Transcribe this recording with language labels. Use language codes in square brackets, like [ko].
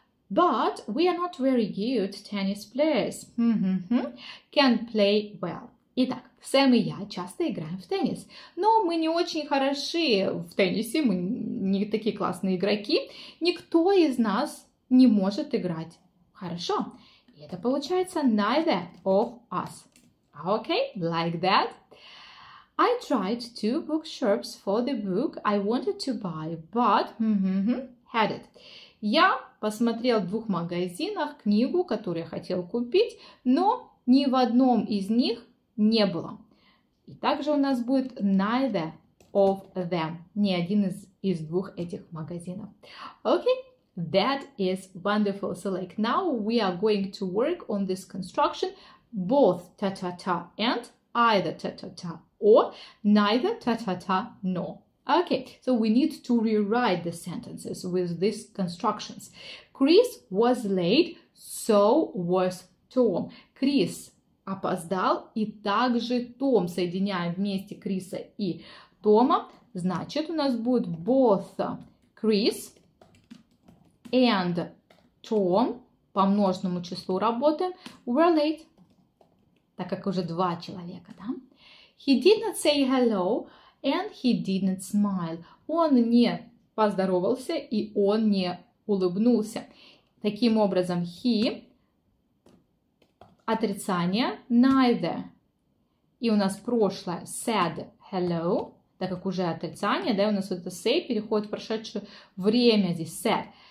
[en] But we are not very good tennis players. Can play well. [ru] Итак, Сэм и я часто играем в теннис, но мы не очень хороши в теннисе, мы не такие классные игроки. Никто из нас не может играть хорошо. И это получается [en] neither of us. Okay, like that. I tried two bookshops for the book I wanted to buy, but had it. [ru] Я посмотрел в двух магазинах книгу, которую я хотел купить, но ни в одном из них не было. И также у нас будет [en] neither of them. [ru] Ни один из двух этих магазинов. [en] Okay, that is wonderful. So like now we are going to work on this construction. Both ta-ta-ta and either ta-ta-ta or neither ta-ta-ta nor. Okay, so we need to rewrite the sentences with these constructions. Chris was late, so was Tom. [ru] Chris опоздал, и также Том. Соединяем вместе Криса и Тома. Значит, у нас будет [en] both Chris and Tom. [ru] По множному числу работаем. Were late, так как уже два человека, да? [en] He did not say hello and he did not smile. [ru] Он не поздоровался и он не улыбнулся. Таким образом, he... Отрицание, neither, и у нас прошлое, said, hello, так как уже отрицание, да, и у нас вот это say переходит в прошедшее время, здесь said.